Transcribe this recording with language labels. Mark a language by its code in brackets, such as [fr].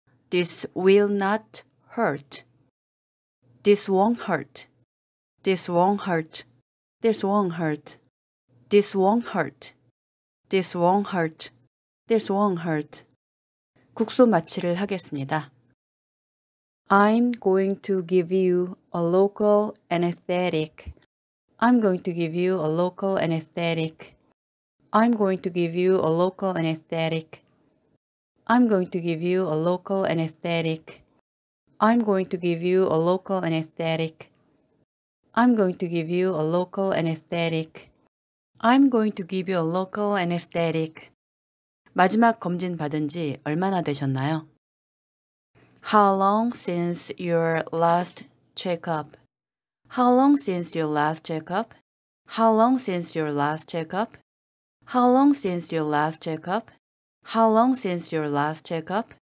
[en] This will not hurt. This won't hurt. This won't hurt. This won't hurt. This won't hurt. This won't hurt. This won't hurt. [ko] 국소 마취를 하겠습니다. [en] I'm going to give you a local anesthetic. I'm going to give you a local anesthetic. I'm going to give you a local anesthetic. I'm going to give you a local anesthetic. I'm going to give you a local anesthetic. I'm going to give you a local anesthetic. I'm going to give you a local anesthetic. [ko] 마지막 검진 받은 지 얼마나 되셨나요? [en] How long since your last checkup? How long since your last checkup? How long since your last checkup? How long since your last checkup? How long since your last checkup?